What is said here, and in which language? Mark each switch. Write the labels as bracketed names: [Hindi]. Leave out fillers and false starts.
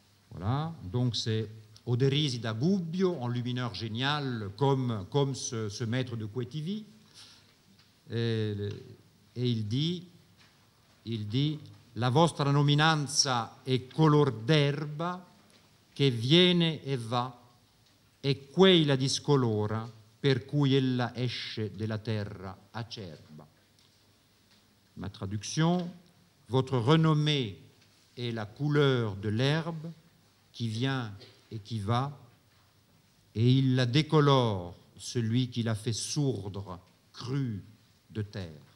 [French] Voilà, donc c'est Oderisi da Gubbio, en lumineur génial, comme ce maître de Quetivi. [Italian] Et il dit, la vostra nominanza è color d'erba che viene e va, e quei la discolora per cui ella esce della terra acerba. [French] Ma traduction, votre renommée est la couleur de l'herbe qui vient et qui va, et il la décolore celui qui l'a fait sourdre, crue de terre.